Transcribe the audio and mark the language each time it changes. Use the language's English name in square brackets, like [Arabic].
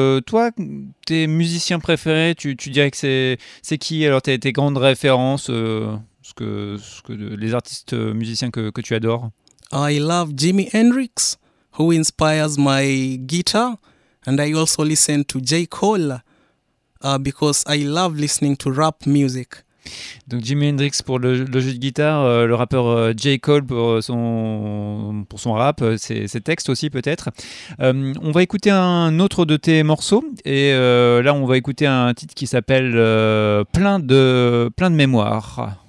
[French] Toi, tes musiciens préférés, tu dirais que c'est qui? Alors, tes grandes références, ce que les artistes musiciens que tu adores? [English] I love Jimi Hendrix, who inspires my guitar, and I also listen to J. Cole, because I love listening to rap music. [French] Donc Jimi Hendrix pour le jeu de guitare, le rappeur J. Cole pour son rap, ses textes aussi peut-être. On va écouter un autre de tes morceaux et là on va écouter un titre qui s'appelle Plein de mémoire.